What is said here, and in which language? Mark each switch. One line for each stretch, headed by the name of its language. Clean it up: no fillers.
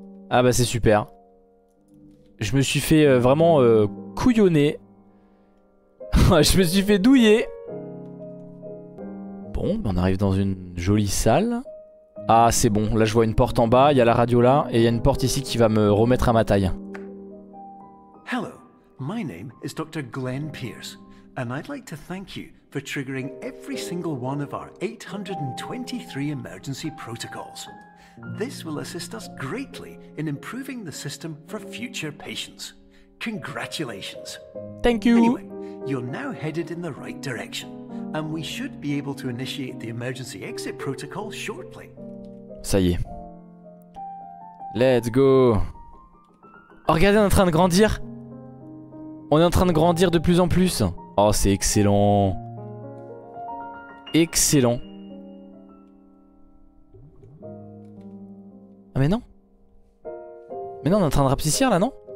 French: Ah bah c'est super. Je me suis fait vraiment couillonner. Je me suis fait douiller. Bon, on arrive dans une jolie salle. Ah c'est bon, là je vois une porte en bas, il y a la radio là, et il y a une porte ici qui va me remettre à ma taille.
English: Hello, my name is Dr. Glenn Pierce, and I'd like to thank you for triggering every single one of our 823 emergency protocols. This will assist us greatly in improving the system for future patients. Congratulations. Thank you. Anyway, you're now headed in the right direction, and we should be able to initiate the emergency exit protocol shortly.
French: Ça y est.
English: Let's go.
French: Oh, regardez, on est en train de grandir. On est en train de grandir de plus en plus. Oh, c'est excellent. Excellent. Ah mais non. Mais non, on est en train de rapetissir là, non?